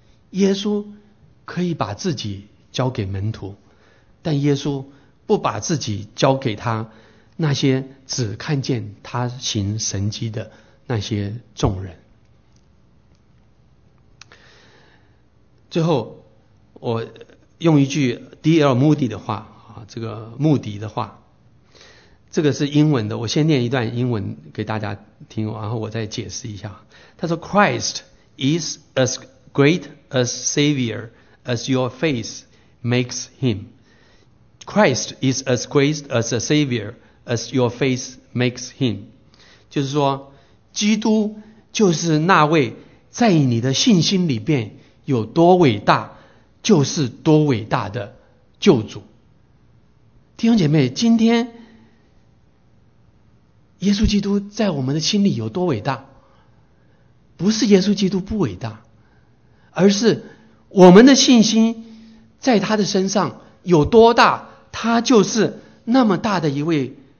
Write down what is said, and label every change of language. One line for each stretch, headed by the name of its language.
Chinese: 耶稣可以把自己交给门徒，但耶稣不把自己交给他那些只看见他行神迹的那些众人。最后我用一句 D.L. Moody 的话，这个穆迪的话，这个是英文的，我先念一段英文给大家听，然后我再解释一下。他说
English: Christ is as great a savior as your faith makes him. Christ is as great as a savior as your faith makes him.
Chinese: 就是说基督就是那位在你的信心里面有多伟大就是多伟大的救主。弟兄姐妹，今天耶稣基督在我们的心里有多伟大，不是耶稣基督不伟大，而是我们的信心在他的身上有多大，他就是那么大的一位